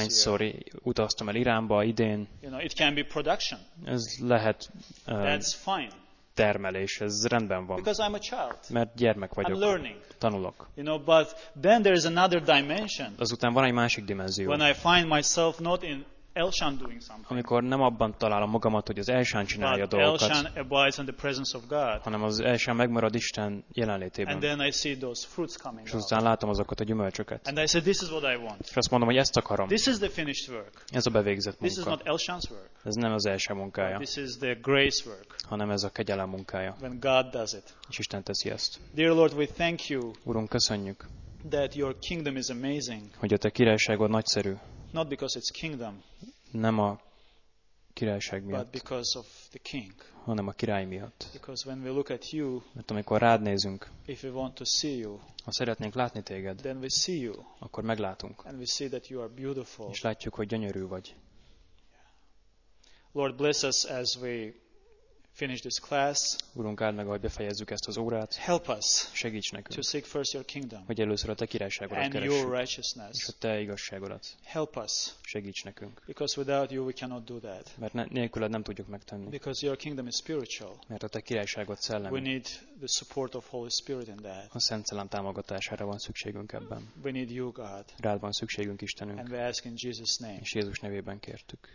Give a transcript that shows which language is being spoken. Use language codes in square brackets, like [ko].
[hu] Hányszor utaztam el Iránba idén. [en] You know, it can be production. [hu] Ez lehet. [en] That's fine. [hu] Termelés, ez rendben van. [en] Because I'm a child. [hu] Mert gyermek vagyok. [en] I'm learning. [hu] Tanulok. [en] You know, but then there is another dimension. [hu] Azután van egy másik dimenzió. [en] When I find myself not in Elshan doing something. [hu] Amikor nem abban találom magamat, hogy az Elshan csinálja a dolgokat. [en] Elshan abides in the presence of God. [hu] Hanem az Elshan megmarad Isten jelenlétében. [en] And then I see those fruits coming. [hu] És azután látom azokat a gyümölcsöket. [en] And I said, this is what I want. [hu] És azt mondom, hogy ezt akarom. [en] This is the finished work. [hu] Ez a bevégzett munka. [en] This is not Elshan's work. [hu] Ez nem az Elshan munkája. [en] This is the grace work. [hu] Hanem ez a kegyelem munkája. [en] When God does it. [hu] És Isten teszi ezt. [en] Dear Lord, we thank you. [hu] Urunk, köszönjük. [en] That your kingdom is amazing. [hu] Hogy a te királyságod nagyszerű. [en] Not because it's kingdom. [hu] Nem a királyság miatt. [en] But because of the king. [hu] Hanem a király miatt. [en] Because when we look at you. [hu] Mert amikor rád nézünk. [en] If we want to see you. [hu] Ha szeretnénk látni téged. [en] Then we see you. [hu] Akkor meglátunk. [en] And we see that you are beautiful. [hu] És látjuk, hogy gyönyörű vagy. [en] Lord bless us as we finish this class. [hu] Urunk, áld meg, ahogy befejezzük ezt az órát. [en] Help us. [hu] Segíts nekünk. [en] To seek first your kingdom. [hu] Hogy először a te királyságodat keressük. [en] And your righteousness. [hu] És a te igazságodat. [en] Help us. [hu] Segíts nekünk. [en] Because without you we cannot do that. [hu] Mert nélküled nem tudjuk megtenni. [en] Because your kingdom is spiritual. [hu] Mert a te királyságod szellemi. [en] We need the support of Holy Spirit in that. [hu] A Szent Szellem támogatására van szükségünk ebben. [en] We need you, God. [hu] Rád van szükségünk, Istenünk. [en] And we ask in Jesus' name. [hu] És Jézus nevében kértük.